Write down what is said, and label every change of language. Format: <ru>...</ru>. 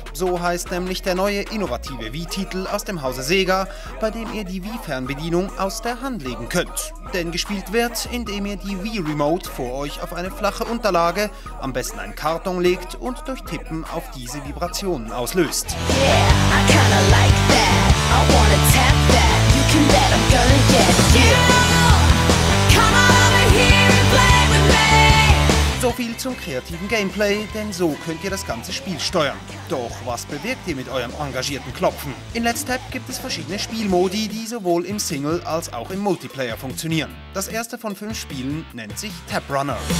<de>So heißt nämlich der neue innovative Wii-Titel aus dem Hause Sega, bei dem ihr die Wii-Fernbedienung aus der Hand legen könnt. Denn gespielt wird, indem ihr die Wii-Remote vor euch auf eine flache Unterlage, am besten einen Karton legt und durch Tippen auf diese Vibrationen auslöst.</de> <en>Yeah, I kinda like that. I wanna tap that. You can bet I'm gonna get you. Come on over here and play with me.</en> <de>So viel zum kreativen Gameplay, denn so könnt ihr das ganze Spiel steuern. Doch was bewirkt ihr mit eurem engagierten Klopfen? In Let's Tap gibt es verschiedene Spielmodi, die sowohl im Single- als auch im Multiplayer funktionieren. Das erste von fünf Spielen nennt sich Tap Runner.</de>